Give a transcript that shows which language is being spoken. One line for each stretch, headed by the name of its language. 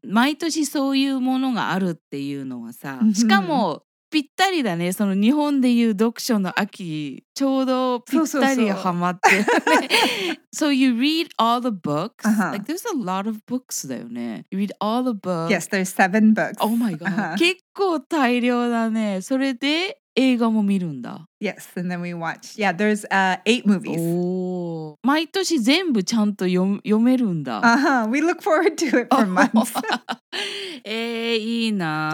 Japanese: 毎年そういうものがあるっていうのはさ。しかも、ぴったりだね。その日本でいう読書の秋、ちょうどぴったりハマってる、ね。
English: So you read all the books?、Like, there's a lot of books だよね。 You read all the books? Yes, there's 7 books. Oh my god.、
Japanese: 結構大量だね。それで、映画も見るんだ。
English: Yes, and then we watch. Yeah, there's 8 movies.
Japanese: Oh, 毎年全部ちゃんと読めるんだ。
English: We look forward to it for months.
Japanese: いいな。